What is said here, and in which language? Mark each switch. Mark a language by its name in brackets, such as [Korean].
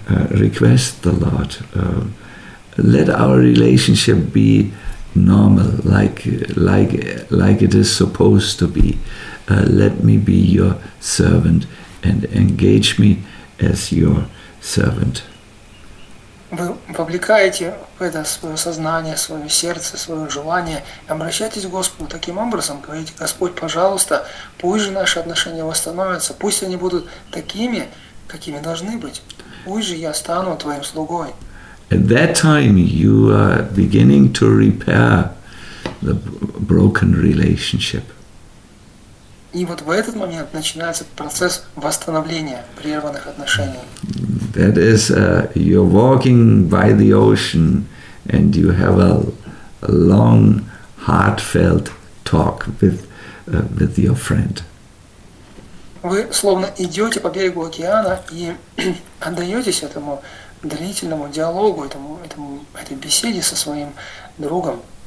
[English] request the Lord, let our relationship be normal, like it is supposed to be. Let me be your servant and engage me as your servant. [Russian] Вы вовлекаете в это свое сознание, свое сердце, свое желание, обращайтесь к Господу таким образом, говорите: Господь, пожалуйста, пусть же наши отношения восстановятся, пусть они будут такими, какими должны быть, пусть же я стану твоим слугой. [English] At that time, you are beginning to repair the broken relationship. [Russian] И вот в этот момент начинается процесс восстановления прерванных отношений. [English] That is, you're walking by the ocean, and you have a long, heartfelt talk with your friend. [Russian] Вы словно идете по берегу океана и отдаетесь этому длительному диалогу, этой беседе со своим другом.